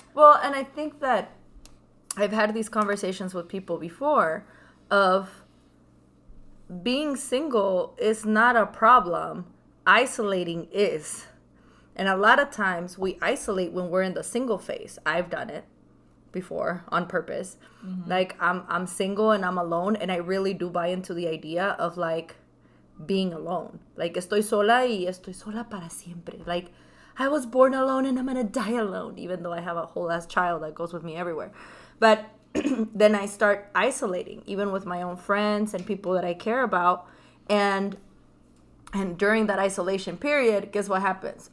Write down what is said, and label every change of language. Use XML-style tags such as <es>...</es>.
<en>Well, and I think that I've had these conversations with people before of being single is not a problem. Isolating is. And a lot of times we isolate when we're in the single phase. I've done it. before on purpose. Mm-hmm. Like, I'm single and I'm alone, and I really do buy into the idea of, like, being alone.</en> <es>Like, estoy sola y estoy sola para siempre.</es> <en>Like, I was born alone and I'm gonna die alone, even though I have a whole ass child that goes with me everywhere. But then I start isolating, even with my own friends and people that I care about. And during that isolation period, guess what happens?</en>